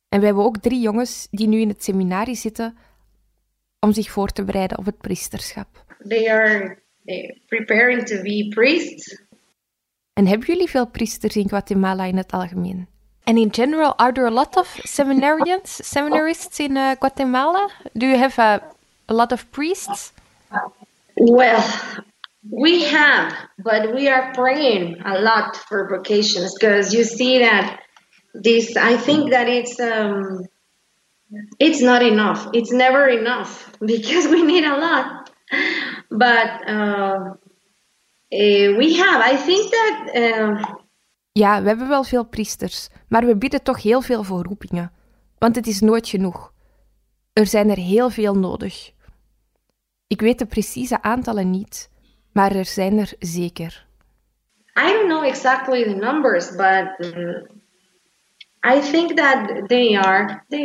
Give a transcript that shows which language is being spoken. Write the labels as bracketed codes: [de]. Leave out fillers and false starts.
[nl] En we hebben ook 3 jongens die nu in het seminarie zitten om zich voor te bereiden op het priesterschap. [en] They are preparing to be priests. [nl] En hebben jullie veel priesters in Guatemala in het algemeen? [en] And in general, are there a lot of seminarists in Guatemala? Do you have a lot of priests? Well, we have, but we are praying a lot for vocations because you see that this, I think that it's not enough. It's never enough because we need a lot. But we have, I think that... [nl] Ja, we hebben wel veel priesters, maar we bidden toch heel veel voor roepingen. Want het is nooit genoeg. Er zijn er heel veel nodig. Ik weet de precieze aantallen niet, maar er zijn er zeker. [en] I don't know exactly the numbers, but I think that they are.